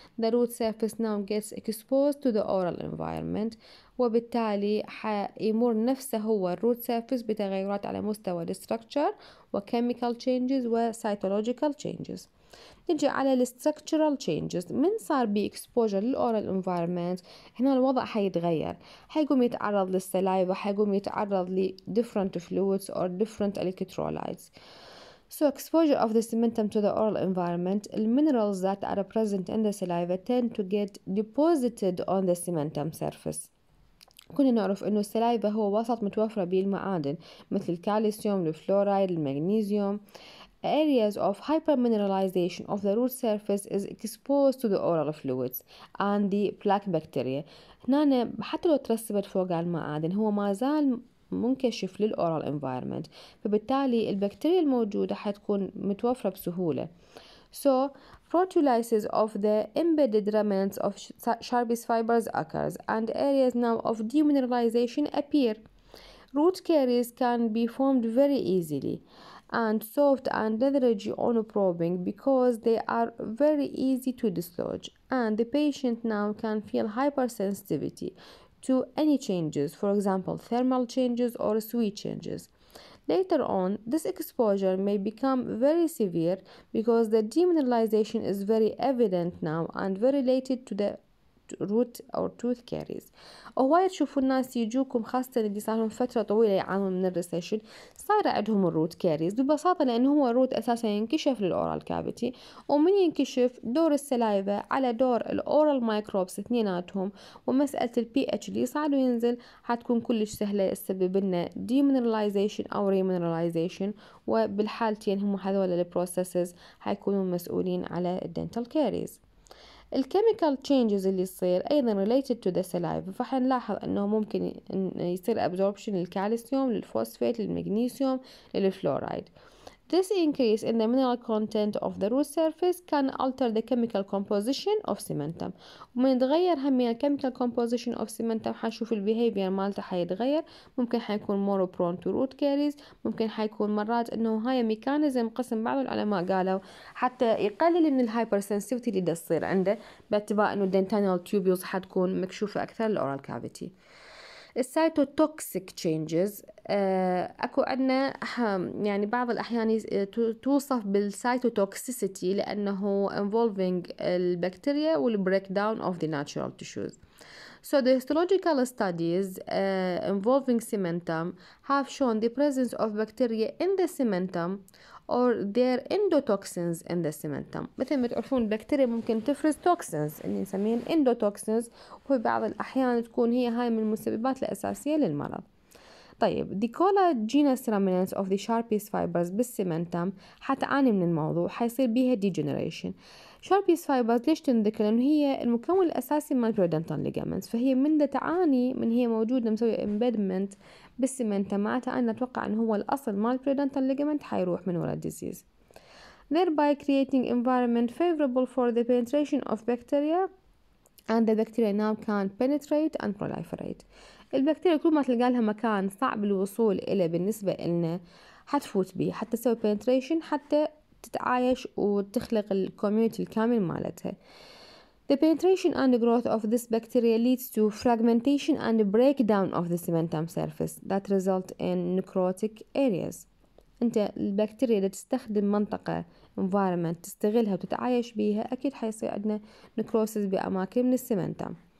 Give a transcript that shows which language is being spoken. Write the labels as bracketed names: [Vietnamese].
[English] The root surface now gets exposed to the oral environment [Arabic] وبالتالي حيمر نفسه هو الروت سيرفيس بتغيرات على مستوى الستركتشر وكيميكال تشينجز وسايتولوجيكال تشينجز. نجي على الستركتشرال تشينجز. من صار بي اكسبوجر للاورال انفايرمنت هنا الوضع حيتغير، حيقوم يتعرض للسلايفا، حيقوم يتعرض لديفرنت فلويدز اور ديفرنت الكترولايتس. [English] So exposure of the cementum to the oral environment, the minerals that are present in the saliva tend to get deposited on the cementum surface. [Arabic] كنا نعرف انه السلايفا هو وسط متوفرة به المعادن مثل الكالسيوم الفلورايد المغنيزيوم. [English] Areas of hypermineralization of the root surface is exposed to the oral fluids and the plaque bacteria. [Arabic] هنا حتى لو ترسبت فوق المعادن هو ما زال منكشف للأورال انفايرمنت فبالتالي البكتيريا الموجودة حتكون متوفرة بسهولة. [English] So proteolysis of the embedded remnants of Sharpe's fibers occurs and areas now of demineralization appear. Root caries can be formed very easily and soft and leathery on probing because they are very easy to dislodge and the patient now can feel hypersensitivity to any changes, for example thermal changes or sweet changes. Later on, this exposure may become very severe because the demineralization is very evident now and very related to the root or tooth caries. [Arabic] وهواي تشوفوا الناس يجوكم خاصة اللي صار لهم فترة طويلة يعانون من الريسيشن صار عندهم الروت كاريز ببساطة لأن هو الروت أساسا ينكشف للأورال كابيتي ومن ينكشف دور السلايفة على دور الأورال مايكروبس اثنيناتهم ومسألة البي اتش اللي يصعد وينزل حتكون كلش سهلة تسبب لنا ديمينراليزيشن أو ريمينراليزيشن وبالحالتين هم هذول البروسيسز حيكونوا مسؤولين على الدنتال كاريز. الكيميكال تشينجز اللي يصير ايضا ريليتد تو ذا سلايفا فحنلاحظ انه ممكن يصير ابزوربشن للكالسيوم للفوسفيت للمغنيسيوم للفلورايد. [English] This increase in the mineral content of the root surface can alter the chemical composition of cementum. [Arabic] ومن يتغير هم من [English] chemical composition of cementum [Arabic] حنشوف ال behavior مالته حيتغير ممكن حيكون [English] more prone to root caries [Arabic] ممكن حيكون مرات انه هاي ميكانيزم قسم بعض العلماء قالوا حتى يقلل من الهايبرسنسيفتي اللي تصير عنده باعتبار انه dentinal tubules حتكون مكشوفة اكثر للأورال كافيتي. السيتوتوكسيك تشينجز اكو عندنا يعني بعض الاحيان توصف بالسيتوتوكسيسيتي لانه انفولفينج البكتيريا والبريك داون اوف ذا ناتشورال تيشوز. [English] So the histological studies involving cementum have shown the presence of bacteria in the cementum or their endotoxins in the cementum. [Arabic] مثل ما تعرفون البكتيريا ممكن تفرز توكسينز اللي نسميهم endotoxins وفي بعض الأحيان تكون هي هاي من المسببات الأساسية للمرض. طيب [English] the collagenous remnants of the Sharpe's fibers [Arabic] بالسيمنتم حتعاني من الموضوع حيصير بيها degeneration. Sharpe's fibers ليش تنذكر لأنه هي المكون الأساسي من periodontal ligaments فهي من ده تعاني من هي موجودة مسوية embedment بالسيمنتم معناتها أنا أتوقع أن هو الأصل من periodontal ligament حيروح من ورا الديزيز. [English] Thereby creating environment favorable for the penetration of bacteria and the bacteria now can penetrate and proliferate. [Arabic] البكتيريا كل ما تلقى لها مكان صعب الوصول إليه بالنسبة إلنا حتفوت به حتى تسوي penetration حتى تتعايش وتخلق الكوميونتي الكامل مالتها. [English] The penetration and growth of this bacteria leads to fragmentation and breakdown of the cementum surface that result in necrotic areas. [Arabic] انت البكتيريا اللي تستخدم منطقة environment تستغلها وتتعايش بيها اكيد حيصير عندنا necrosis باماكن من السمنتم.